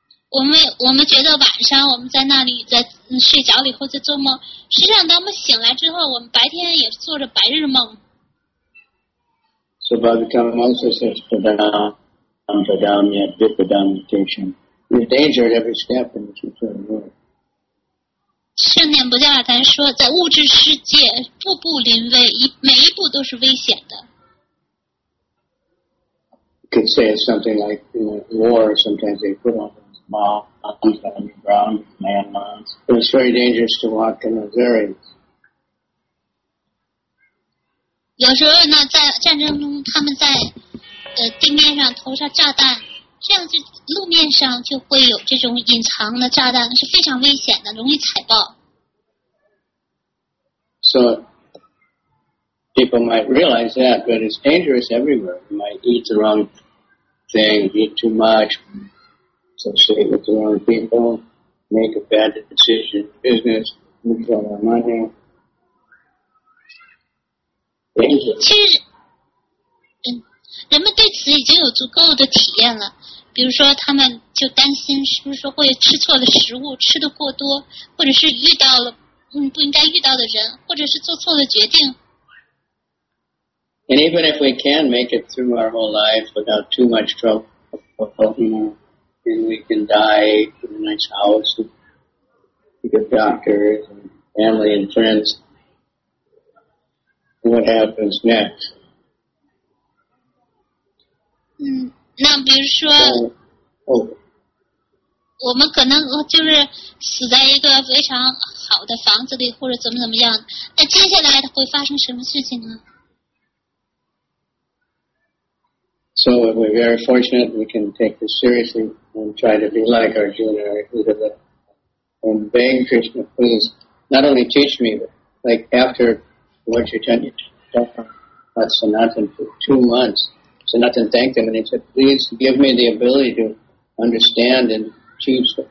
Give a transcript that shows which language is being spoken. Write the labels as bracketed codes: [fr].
[zh] 我们觉得晚上我们在那里在睡觉以后在做梦，实际上当我们醒来之后，我们白天也做着白日梦。 [en] So by the time Moses says, Padam, Padam, yet Vipadam, Tishan, you're danger at every step in the future world. [zh] 圣念不加尔丹说，在物质世界步步临危，每一步都是危险的。 [en] You could say something like, you know, war, sometimes they put on those bombs on the ground, landmines. It's very dangerous to walk in those areas. [zh] 有时候呢，在战争中，他们在地面上投下炸弹。这样就路面上就会有这种隐藏的炸弹，是非常危险的，容易踩爆。 [en] So people might realize that, but it's dangerous everywhere. You might eat the wrong thing, eat too much, associate with the wrong people, make a bad decision, business, lose all our money. Dangerous. [zh] 其实，人们对此已经有足够的体验了。比如说他们就担心是不是说会吃错了食物吃得过多或者是遇到了不应该遇到的人或者是做错了决定。 [en] And even if we can make it through our whole life without too much trouble, you know, and we can die in a nice house with good doctors and family and friends, what happens next? [zh] 那比如说我们可能就是死在一个非常好的房子里或者怎么怎么样，那接下来会发生什么事情呢？ [en] So we're very fortunate we can take this seriously and try to be like Arjuna and beg Krishna, please not only teach me, but like after what you're telling me about Sanatan for 2 months, Sanatan thanked him and he said, please give me the ability to understand and achieve